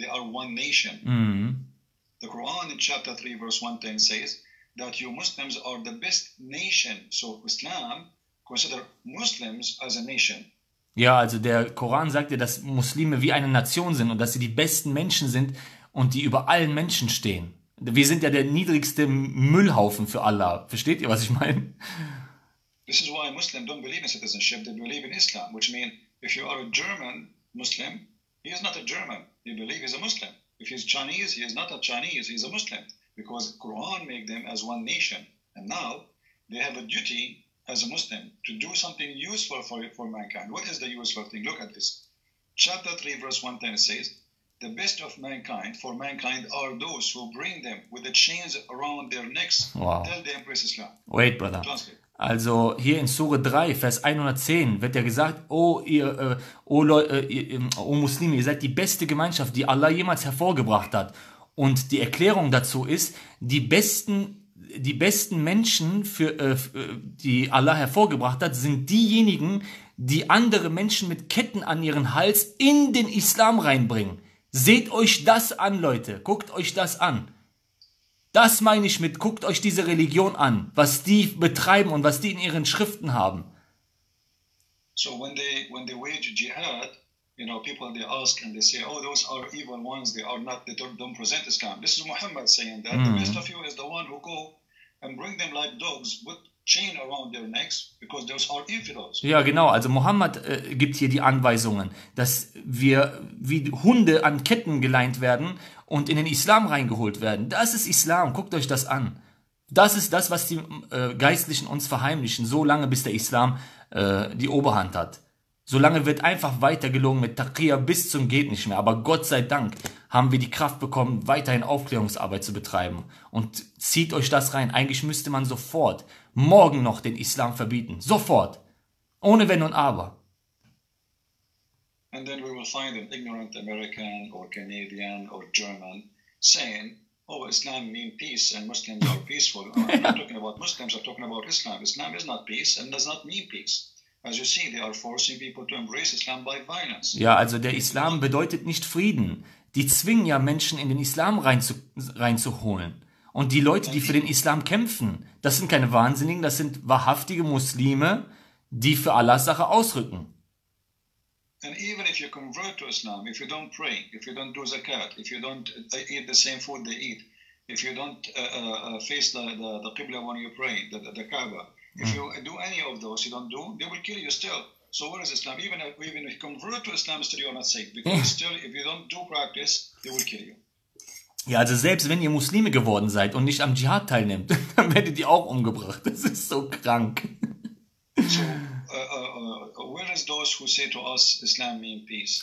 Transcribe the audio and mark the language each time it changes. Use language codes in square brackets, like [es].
[en] They are one nation. The Quran in chapter 3, verse 110 says that you Muslims are the best nation. So Islam consider Muslims as a nation. [de] Ja, also der Koran sagt ja, dass Muslime wie eine Nation sind und dass sie die besten Menschen sind und die über allen Menschen stehen. Wir sind ja der niedrigste Müllhaufen für Allah. Versteht ihr, was ich meine? [en] This is why Muslims don't believe in citizenship, they believe in Islam. Which means, if you are a German Muslim, he is not a German. You believe he's a Muslim. If he's Chinese, he is not a Chinese, he's a Muslim. Because Quran make them as one nation. And now, they have a duty as a Muslim to do something useful for mankind. What is the useful thing? Look at this. Chapter 3, verse 110 says, the best of mankind for mankind are those who bring them with the chains around their necks. Wow. Tell them, praise Islam. Wait, brother. Translate. [de] Also hier in Sure 3, Vers 110, wird ja gesagt, oh Muslime, ihr seid die beste Gemeinschaft, die Allah jemals hervorgebracht hat. Und die Erklärung dazu ist, die besten Menschen, die Allah hervorgebracht hat, sind diejenigen, die andere Menschen mit Ketten an ihren Hals in den Islam reinbringen. Seht euch das an, Leute, guckt euch das an. Das meine ich mit, guckt euch diese Religion an, was die betreiben und was die in ihren Schriften haben. [en] So when they wage jihad, you know, people they ask and they say, oh, those are evil ones, they are not, they don't present Islam. This is Muhammad saying that. Mm. The best of you is the one who go and bring them like dogs, put chain around their necks, because those are infidels. [de] Ja, genau, also Muhammad gibt hier die Anweisungen, dass wir wie Hunde an Ketten geleint werden und in den Islam reingeholt werden. Das ist Islam, guckt euch das an. Das ist das, was die Geistlichen uns verheimlichen, so lange bis der Islam die Oberhand hat. So lange wird einfach weitergelogen mit Taqiyya bis zum geht nicht mehr. Aber Gott sei Dank haben wir die Kraft bekommen, weiterhin Aufklärungsarbeit zu betreiben. Und zieht euch das rein. Eigentlich müsste man sofort, morgen noch den Islam verbieten. Sofort. Ohne Wenn und Aber. [en] And then we will find an ignorant American or Canadian or German saying, oh, Islam means peace and Muslims are peaceful. I'm not talking about Muslims, I'm talking about Islam. Islam is not peace and does not mean peace. As you see, they are forcing people to embrace Islam by violence. [de] Ja, also der Islam bedeutet nicht Frieden. Die zwingen ja Menschen in den Islam reinzuholen. Und die Leute, die für den Islam kämpfen, das sind keine Wahnsinnigen, das sind wahrhaftige Muslime, die für Allahs Sache ausrücken. [en] And even if you convert to Islam, if you don't pray, if you don't do zakat, if you don't eat the same food they eat, if you don't face the Qibla when you pray, the Kaaba, if you do any of those you don't do, they will kill you still. So what is Islam? Even if you convert to Islam, still you are not safe. Because still, if you don't do practice, they will kill you. [de] Ja, also selbst wenn ihr Muslime geworden seid und nicht am Dschihad teilnimmt, dann werdet ihr auch umgebracht. Das ist so krank. [en] Where is those who say to us Islam mean peace?